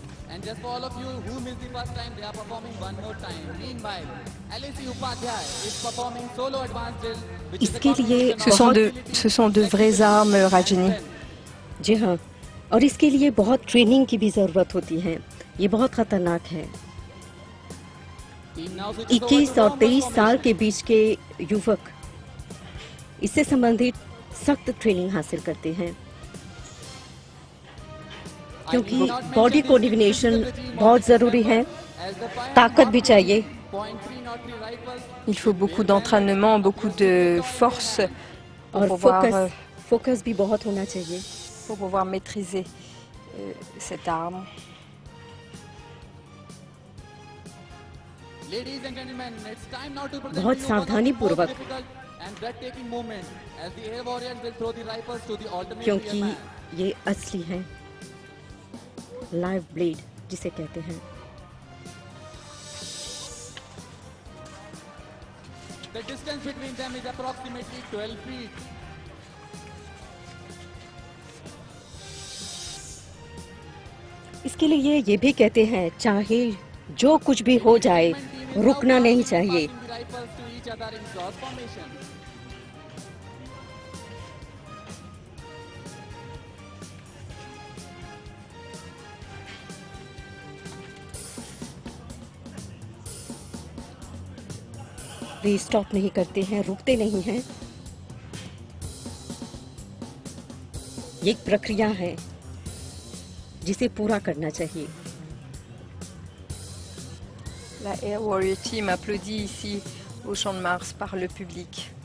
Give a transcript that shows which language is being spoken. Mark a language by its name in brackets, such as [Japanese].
[English] and just for all of you who missed the first time they are performing one more time meanwhile Alice Upadhyay is performing solo advanced drill [Hindi] इसके लिए [French] ce sont de vraies armes Rajini [Hindi] जी हाँ और इसके लिए बहुत training की भी जरूरत होती है ये बहुत खतरनाक है 21 और 23 साल के बीच के युवक इससे संबंधित सख्त ट्रेनिंग हासिल करते हैं क्योंकि बॉडी कोऑर्डिनेशन बहुत जरूरी है ताकत भी चाहिए [French] il faut beaucoup d'entraînement beaucoup de force [Hindi] और focus भी बहुत होना चाहिए [French] pour pouvoir maîtriser cette arme. [English] Ladies and gentlemen, it's time now to present [Hindi] बहुत सावधानी पूर्वक क्योंकि ये असली है लाइव ब्लेड जिसे कहते हैं [English] The distance between them is approximately 12 feet. [Hindi] इसके लिए ये भी कहते हैं चाहे जो कुछ भी हो जाए रुकना नहीं चाहिए वे स्टॉप नहीं करते हैं रुकते नहीं हैं ये एक प्रक्रिया है जिसे पूरा करना चाहिए [French] La Air Warrior Team applaudit ici au Champ de Mars par le public.